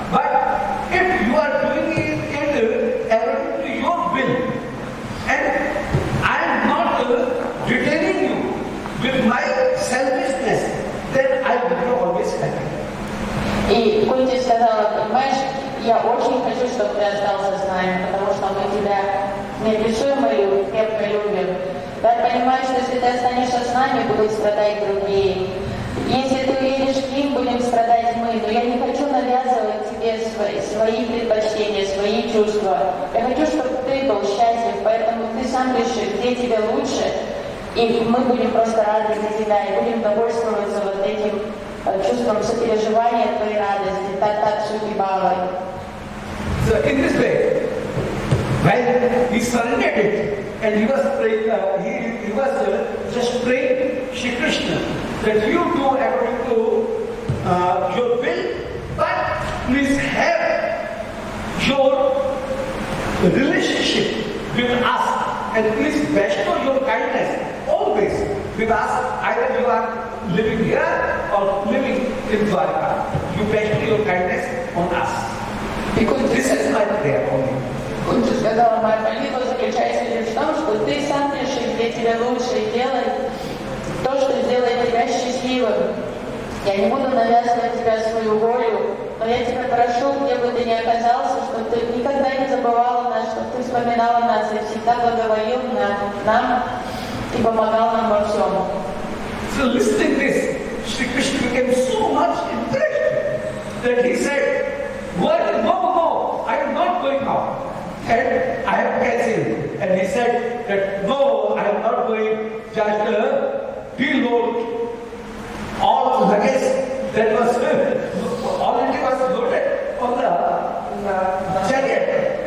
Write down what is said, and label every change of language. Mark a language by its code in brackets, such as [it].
[en] But if you are doing it according to your will, and I am not retaining you with my selfishness, then I will be always happy. [ru] И Кунти сказала, понимаешь, я очень хочу, чтобы ты остался с нами, потому что мы тебя неописуемо крепко любим. Да, понимаешь, что если ты останешься с нами, будут страдать другие. Если ты уедешь к ним, будем страдать мы. Но я не хочу навязывать тебе свои предпочтения, свои чувства. Я хочу, чтобы ты был счастлив, поэтому ты сам реши, где тебе лучше. И мы будем просто рады за тебя, и будем довольствоваться вот этим чувством сопереживания твоей радости. Так суки балуй. [en] So in this way, when he surrendered it, and he was praying, he was just praying Shri Krishna that you do according to your will, but please have your relationship with us, and please bestow your kindness always with us, either you are living here or living in Dvaraka. You bestow your kindness on us. Because this is my prayer for you. [ru] Кунти сказала, моя молитва заключается лишь в том, что ты сам решишь, где тебе лучше, и делай то, что сделает тебя счастливым. Я не буду навязывать тебя свою волю, но я тебя прошу, где бы ты ни оказался, чтобы ты никогда не забывал о нас, чтобы ты вспоминал о нас и всегда благоволил нам. и помогал нам во всем. [en] So listening to this, Shri Krishna became so much impressed that he said, "What? No, no, no! I am not going out. And I have cancelled." And he said that, "No, I am not going. Just reload all the luggage that was already was loaded on the chariot."